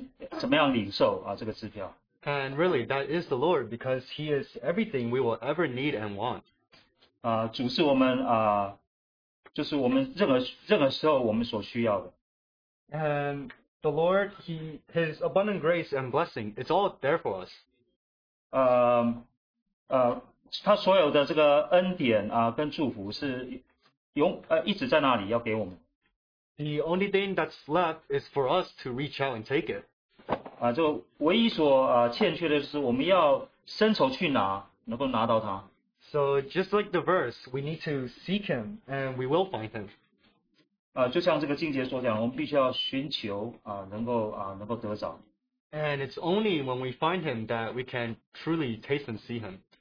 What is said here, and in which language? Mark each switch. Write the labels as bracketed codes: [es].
[zh] 这个好像就是我们要填这个支票，然后我们要到时候我们怎么样领受这个支票。 [en] And really, that is the Lord, because He is everything we will ever need and want. [zh] 主是我们，就是我们任何时候我们所需要的。 [en] And the Lord, His abundant grace and blessing, it's all there for us. [zh] 他所有的这个恩典跟祝福是一直在那里要给我们。 [en] The only thing that's left is for us to reach out and take it. [zh] 就唯一所欠缺的是我们要伸手去拿，能够拿到它。 [en] So just like the verse, we need to seek Him and we will find Him. [zh] 就像这个经节所讲，我们必须要寻求，能够得着。 [en] And it's only when we find Him that we can truly taste and see Him.